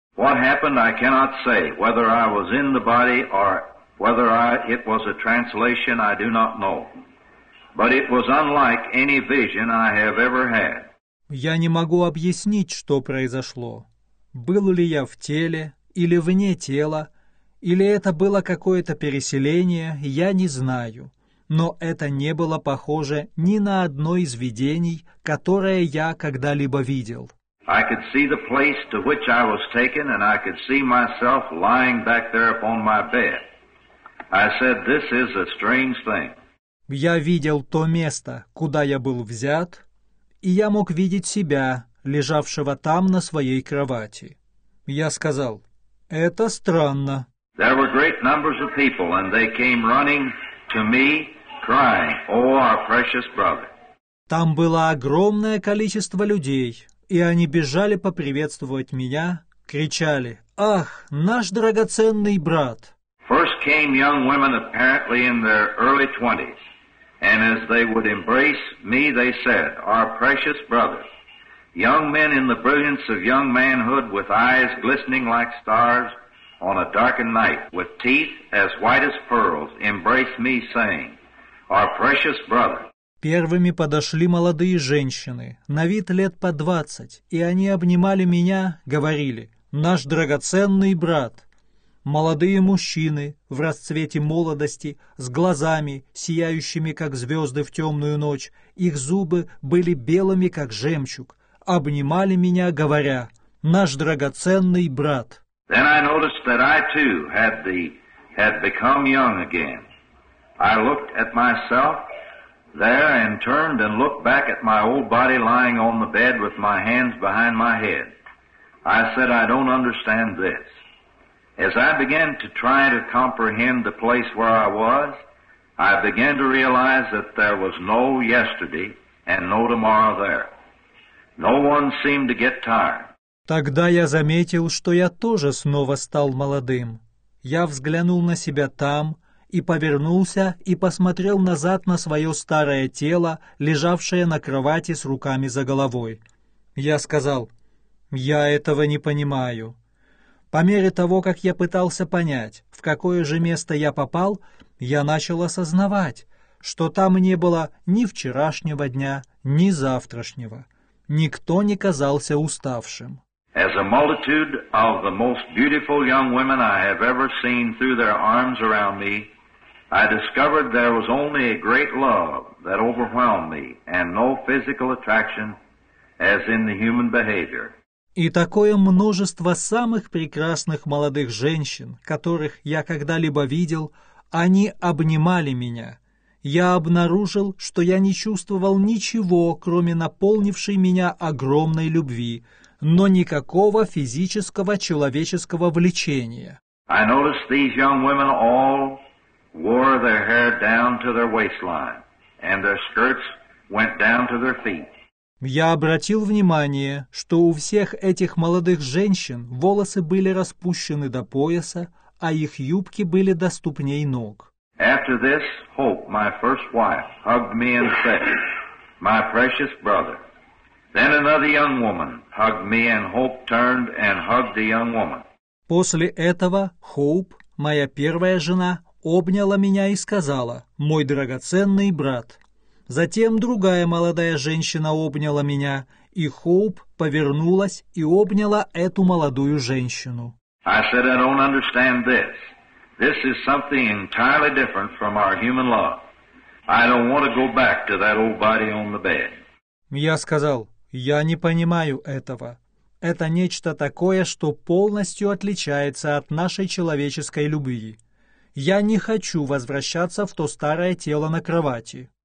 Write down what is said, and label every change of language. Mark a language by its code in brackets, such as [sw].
[en] What happened, I cannot say, whether I was in the body or it was a translation, I do not know. But it was unlike any vision I have ever had. [ru] Я не могу объяснить, что произошло. Был ли я в теле или вне тела, или это было какое-то переселение, я не знаю. Но это не было похоже ни на одно из видений, которое я когда-либо видел. [en] I could see the place to which I was taken, and I could see myself lying back there upon my bed. I said, "This is a strange thing." [ru] Я видел то место, куда я был взят, и я мог видеть себя, лежавшего там на своей кровати. Я сказал: "Это странно." [en] There were great numbers of people, and they came running to me, crying, "Oh, our precious brother!" [ru] Там было огромное количество людей, и они бежали поприветствовать меня, кричали: "Ах, наш драгоценный брат!" [en] First came young women, apparently in their early 20s. And as they would embrace me, they said, "Our precious brother." Young men in the brilliance of young manhood, with eyes glistening like stars on a darkened night, with teeth as white as pearls, embraced me, saying, "Our precious brother." [ru] Первыми подошли молодые женщины, на вид лет по 20, и они обнимали меня, говорили: "Наш драгоценный брат!" Молодые мужчины в расцвете молодости, с глазами, сияющими как звезды в темную ночь, их зубы были белыми, как жемчуг, обнимали меня, говоря: "Наш драгоценный брат!" [en] Then I noticed that I too had become young again. I looked at myself there and turned and looked back at my old body lying on the bed with my hands behind my head. I said, "I don't understand this." As I began to try to comprehend the place where I was, I began to realize that there was no yesterday and no tomorrow there. No one seemed to get tired. [ru] Тогда я заметил, что я тоже снова стал молодым. Я взглянул на себя там и повернулся и посмотрел назад на свое старое тело, лежавшее на кровати с руками за головой. Я сказал: «Я этого не понимаю». По мере того, как я пытался понять, в какое же место я попал, я начал осознавать, что там не было ни вчерашнего дня, ни завтрашнего. Никто не казался уставшим. [en] As a multitude of the most beautiful young women I have ever seen threw their arms around me, I discovered there was only a great love that overwhelmed me, and no physical attraction as in the human behavior. [ru] И такое множество самых прекрасных молодых женщин, которых я когда-либо видел, они обнимали меня. Я обнаружил, что я не чувствовал ничего, кроме наполнившей меня огромной любви, но никакого физического человеческого влечения. [en] I noticed these young women all wore their hair down to their waistline, and their skirts went down to their feet. [ru] Я обратил внимание, что у всех этих молодых женщин волосы были распущены до пояса, а их юбки были до ступней ног. [en] After this, Hope, my first wife, hugged me and said, "My precious brother." Then another young woman hugged me, and Hope turned and hugged the young woman. [ru] После этого Hope, моя первая жена, обняла меня и сказала: "Мой драгоценный брат." Затем другая молодая женщина обняла меня, и Хоуп повернулась и обняла эту молодую женщину. [en] I said, "I don't understand this. This is something entirely different from our human love. I don't want to go back to that old body on the bed." [ru] Я сказал: "Я не понимаю этого. Это нечто такое, что полностью отличается от нашей человеческой любви. Я не хочу возвращаться в то старое тело на кровати."